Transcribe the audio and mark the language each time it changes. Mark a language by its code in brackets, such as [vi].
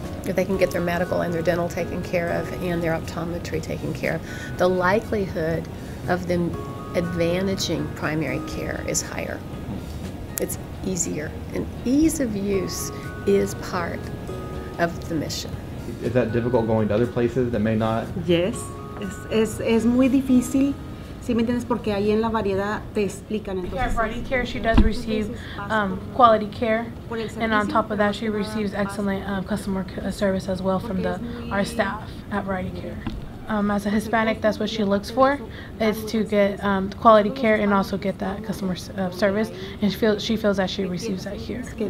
[en] If they can get their medical and their dental taken care of and their optometry taken care of, the likelihood of them advantaging primary care is higher. It's easier, and ease of use is part of the mission. Is that difficult going to other places that may not? Yes, it's [es] muy difícil Si me entiendes, porque ahí en la variedad te explican. Entonces, [en] yeah, variety care, she does receive quality care. And on top of that, she receives excellent customer service as well from our staff at variety care. As a Hispanic, that's what she looks for, is to get quality care and also get that customer service. And she feels that she receives that here.